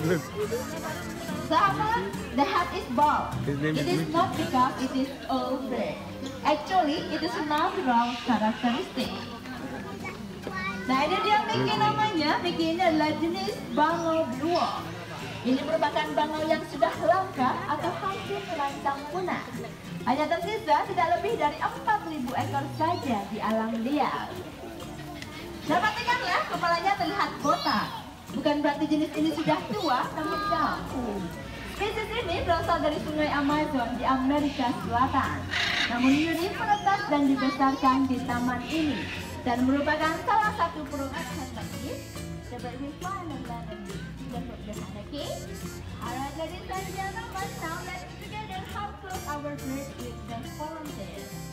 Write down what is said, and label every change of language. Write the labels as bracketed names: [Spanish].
[English] The head is bald. It is not because it is old bird. Actually, it is a natural characteristic. [Indonesian] Nah, ini dia Mickey namanya. Mickey ini adalah jenis bangau blue. Ini merupakan bangau yang sudah langka atau hampir terancam punah. Hanya tersisa tidak lebih dari 4.000 ekor saja di alam liar. Nah, perhatikan ya, kepalanya terlihat botak. Bukan berarti jenis ini sudah tua, namun jauh. Spesies ini berasal dari sungai Amazon di Amerika Selatan. Namun unik menetas dan dibesarkan di taman ini. Dan merupakan salah satu burung endemik. Sebagai [English] flying bird, [Indonesian] tidak berbahaya. [English] Alright, ladies and gentlemen, now let's together how close our bird with the foreign bird.